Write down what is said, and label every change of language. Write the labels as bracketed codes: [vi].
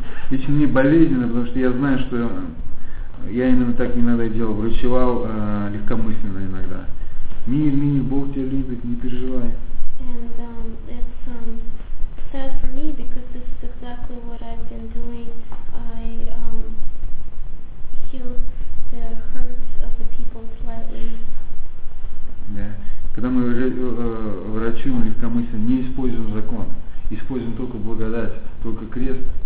[ru] Лично мне болезненно, потому что я знаю, что я именно так иногда и делал, врачевал легкомысленно иногда. Мир, мир, Бог тебя любит, не переживай. [en] And it's sad for me, because this is exactly what I've been doing. I heal the hurts of the people slightly. [ru] Да. Когда мы врачуем легкомысленно, не используем закон, используем только благодать, только крест.